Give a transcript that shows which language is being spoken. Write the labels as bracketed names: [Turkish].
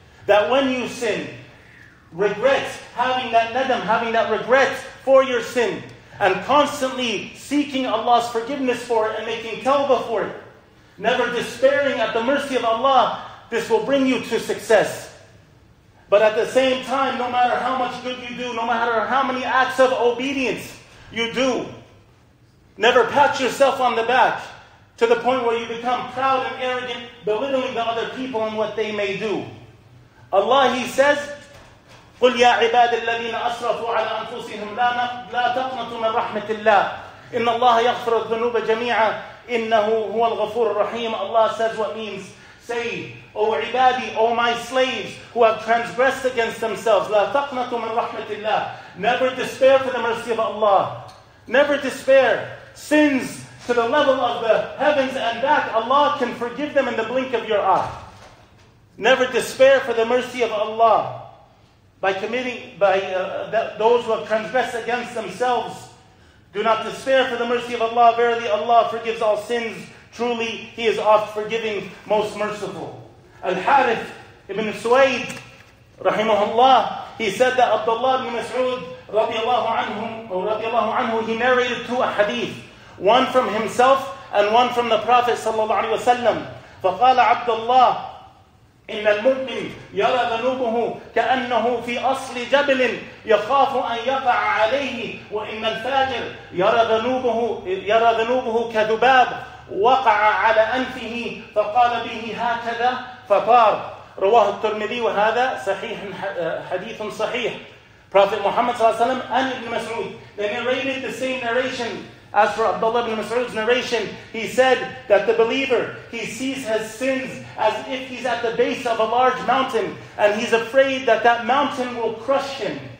[English] That when you sin, regret, having that nadam, having that regret for your sin, and constantly seeking Allah's forgiveness for it and making tawbah for it, never despairing at the mercy of Allah, this will bring you to success. But at the same time, no matter how much good you do, no matter how many acts of obedience you do, never pat yourself on the back to the point where you become proud and arrogant, belittling the other people and what they may do. [Arabic] Allah, He says, قُلْ يَا عِبَادِ الَّذِينَ أَسْرَفُوا عَلَى أَنفُسِهِمْ لَا تَقْنَطُوا مِنْ رَحْمَةِ اللَّهِ إِنَّ اللَّهَ يَغْفِرُ الذُّنُوبَ جَمِيعًا إِنَّهُ هُوَ الْغَفُورُ الرَّحِيمُ. [English] Allah says what means, say, O ibadi, O my slaves, who have transgressed against themselves, [Arabic] لَا تَقْنَطُوا مِنْ رَحْمَةِ اللَّهِ. [English] Never despair for the mercy of Allah. Never despair. Sins to the level of the heavens and back, Allah can forgive them in the blink of your eye. Never despair for the mercy of Allah. Those who have transgressed against themselves, do not despair for the mercy of Allah. Verily, Allah forgives all sins. Truly, He is oft forgiving, most merciful. Al-Harith ibn Suwayd, rahimahullah, he said that Abdullah ibn Mas'ud, radiallahu anhu, he narrated two hadith, one from himself and one from the Prophet sallallahu alaihi wasallam. [Arabic] فَقَالَ عَبْدُ اللَّهِ إن المؤمن يرى ذنوبه كأنه في أصل جبل يخاف أن يقع عليه وإن الفاجر يرى ذنوبه كذباب وقع على أنفه فقال به هكذا فطار. رواه الترمذي وهذا صحيح حديث صحيح. [English] Prophet Muhammad صلى الله عليه وسلم and Ibn Mas'ud, they narrated the same narration. As for Abdullah ibn Mas'ud's narration, he said that the believer, he sees his sins as if he's at the base of a large mountain, and he's afraid that that mountain will crush him.